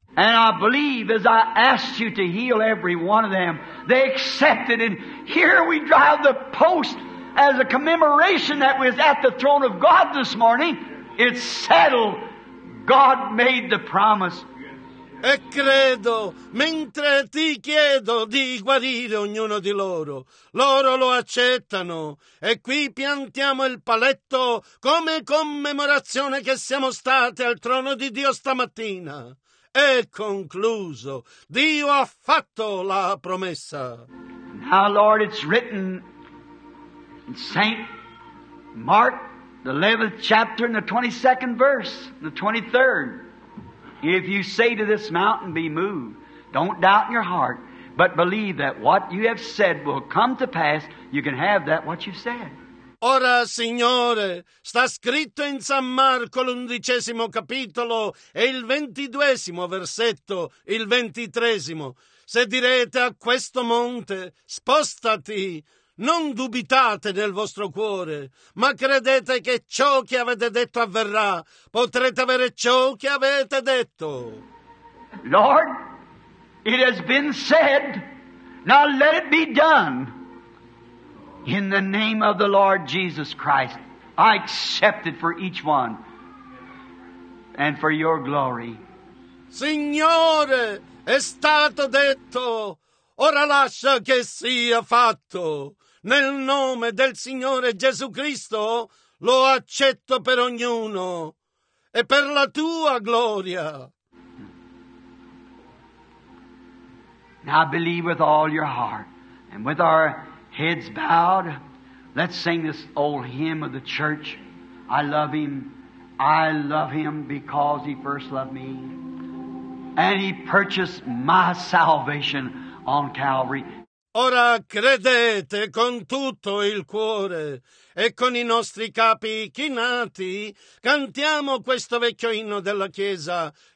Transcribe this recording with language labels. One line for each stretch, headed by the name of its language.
English: And I believe as I asked you to heal every one of them, they accepted it. Here we drive the post as a commemoration that was at the throne of God this morning. It's settled. God made the promise.
Italian: E credo, mentre ti chiedo di guarire ognuno di loro, loro lo accettano. E qui piantiamo il paletto come commemorazione che siamo stati al trono di Dio stamattina. È concluso. Dio ha fatto la promessa.
English: Now, Lord, it's written in Saint Mark, the 11th chapter and the 22nd verse, the 23rd. If you say to this mountain, be moved, don't doubt in your heart, but believe that what you have said will come to pass, you can have that what you said.
Italian: Ora, Signore, sta scritto in San Marco l'undicesimo capitolo e il 22esimo versetto, il 23esimo. Se direte a questo monte, spostati, non dubitate nel vostro cuore, ma credete che ciò che avete detto avverrà. Potrete avere ciò che avete detto.
English: Lord, it has been said, now let it be done. In the name of the Lord Jesus Christ, I accept it for each one and for your glory.
Italian: Signore, è stato detto, ora lascia che sia fatto. Nel nome del Signore Gesù Cristo lo accetto per ognuno e per la tua gloria.
English: Now believe with all your heart. And with our heads bowed, let's sing this old hymn of the church. I love Him. I love Him because He first loved me. And He purchased my salvation on Calvary.
Italian: Ora credete con tutto il cuore e con i nostri capi chinati, cantiamo questo vecchio inno della Chiesa.